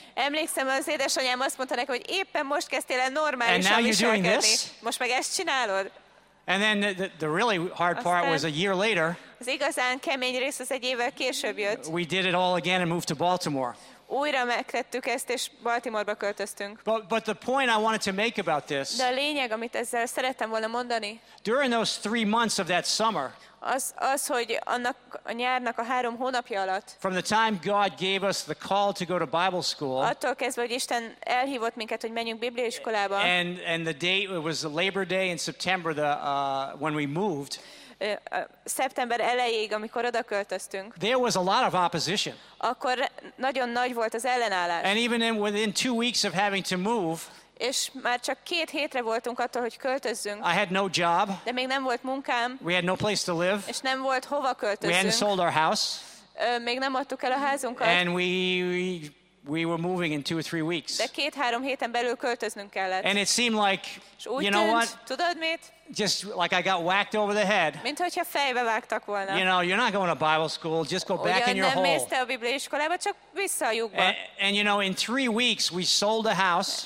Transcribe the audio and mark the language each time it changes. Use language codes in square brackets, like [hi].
[hu] Emlékszem, az édesanyám azt mondta neki, hogy éppen most kezdtél el normálisan viselkedni. [en] And now you're doing this? [hu] Most meg ezt csinálod? [en] And then the really hard part was a year later. [hu] Az igazán kemény rész az egy évvel később jött. [en] We did it all again and moved to Baltimore. [hu] Újra megtettük ezt, és Baltimore-ba költöztünk. [en] But the point I wanted to make about this, [hu] de a lényeg, amit ezzel szerettem volna mondani, [en] during those 3 months of that summer, [hu] az, hogy annak a nyárnak a 3 hónapja alatt, [en] from the time God gave us the call to go to Bible school, [hu] attól kezdve, hogy Isten elhívott minket, hogy menjünk bibliaiskolába, [en] and the date, it was the Labor Day in September when we moved, [hu] szeptember elejéig, amikor oda költöztünk, [en] there was a lot of opposition. [hu] Akkor nagyon nagy volt az ellenállás. [en] And even within 2 weeks of having to move, [hu] és már csak 2 hétre voltunk attól, hogy költözzünk. [en] I had no job. [hu] De még nem volt munkám. [en] We had no place to live. [hu] És nem volt hova költözzünk. [en] We hadn't sold our house. [hu] Még nem adtuk el a házunkat. [en] And we were moving in 2 or 3 weeks. [hu] De 2-3 héten belül költöznünk kellett. [en] And it seemed like, you know what? [hu] Tudod mit? [en] Just like I got whacked over the head. [hu] Mint hogyha fejbe vágtak volna. [en] You know, you're not going to Bible school. Just go back in your hole. [hu] Ugyan nem mész te a bibliaiskolába, csak vissza a lyukba. [en] And you know, in 3 weeks we sold a house.